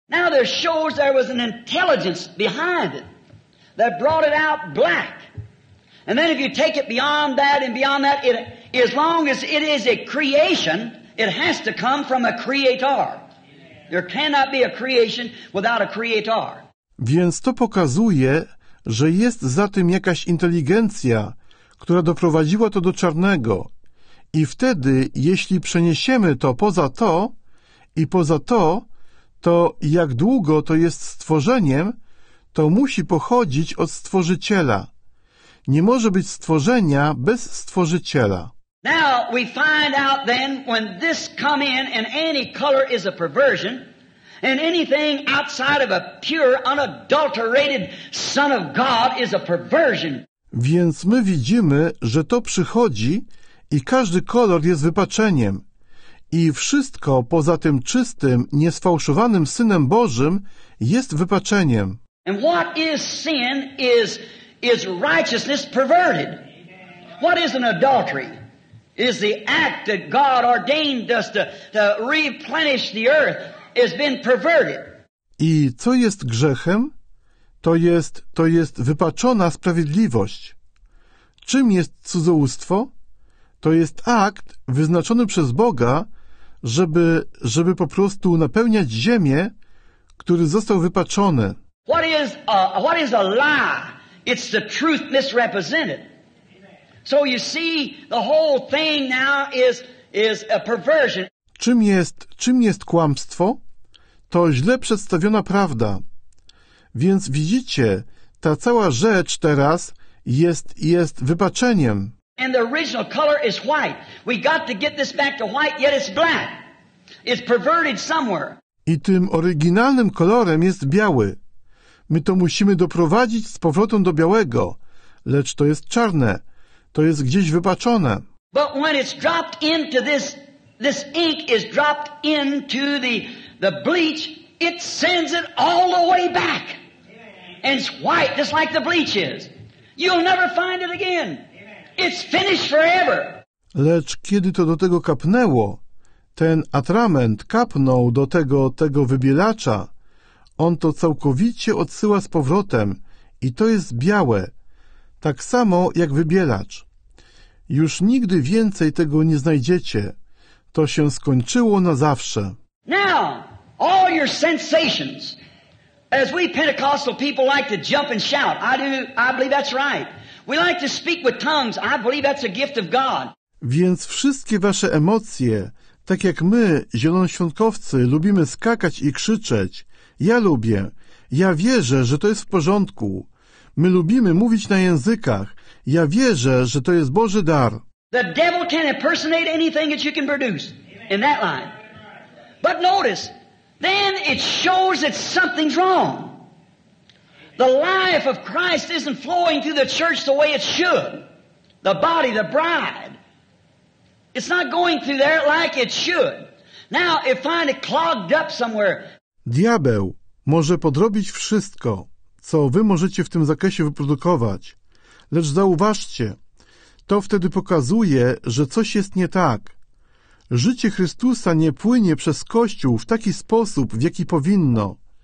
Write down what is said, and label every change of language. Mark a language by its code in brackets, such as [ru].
[en] Now there shows there was an intelligence behind it that brought it out black. And then if you take it beyond that and beyond that, it, as long as it is a creation, it has to come from a creator. There cannot be a creation without a creator. [pl] Więc to pokazuje, że jest za tym jakaś inteligencja, która doprowadziła to do czarnego. I wtedy, jeśli przeniesiemy to poza to i poza to, to jak długo to jest stworzeniem, to musi pochodzić od stworzyciela. Nie może być stworzenia bez stworzyciela. [en] Now we find out then when this come in and any color is a perversion and anything outside of a pure unadulterated son of God is a perversion. [pl] Więc my widzimy, że to przychodzi i każdy kolor jest wypaczeniem. I wszystko poza tym czystym, niesfałszowanym Synem Bożym jest wypaczeniem. [en] And what is sin is righteousness perverted. What is an adultery? Is the act that God ordained us to replenish the earth has been perverted. [pl] I co jest grzechem? To jest wypaczona sprawiedliwość. Czym jest cudzołóstwo? To jest akt wyznaczony przez Boga, żeby po prostu napełniać ziemię, który został wypaczony. [en] What is a lie? It's the truth misrepresented. So you see, the whole thing now is a perversion. [pl] Czym jest kłamstwo? To źle przedstawiona prawda. Więc widzicie, ta cała rzecz teraz jest wypaczeniem. [en] And the original color is white. We got to get this back to white, yet it's black. It's perverted somewhere. [pl] I tym oryginalnym kolorem jest biały. My to musimy doprowadzić z powrotem do białego, lecz to jest czarne. To jest gdzieś wypaczone. [en] But when it's dropped into this ink is dropped into the bleach, it sends it all the way back. And it's white, just like the bleach is. You'll never find it again. It's finished forever. [pl] Lecz kiedy to do tego kapnęło, ten atrament kapnął do tego wybielacza, on to całkowicie odsyła z powrotem i to jest białe, tak samo jak wybielacz. Już nigdy więcej tego nie znajdziecie. To się skończyło na zawsze. [en] Now, all your sensations, as we Pentecostal people like to jump and shout, I do, I believe that's right. We like to speak with tongues, I believe that's a gift of God. [pl] Więc wszystkie wasze emocje, tak jak my, zielonoświątkowcy, lubimy skakać i krzyczeć, ja lubię, ja wierzę, że to jest w porządku. My lubimy mówić na językach, ja wierzę, że to jest Boży dar. [en] The devil can impersonate anything that you can produce in that line. But notice, then it shows that something's wrong. The life of Christ isn't flowing through the church the way it should. The body, the bride. It's not going through there like it should. Now it finally clogged up somewhere. [pl] Diabeł może podrobić wszystko, co wy możecie w tym zakresie wyprodukować. Lecz zauważcie, to wtedy pokazuje, że coś jest nie tak. Życie Chrystusa nie płynie przez Kościół w taki sposób, w jaki powinno.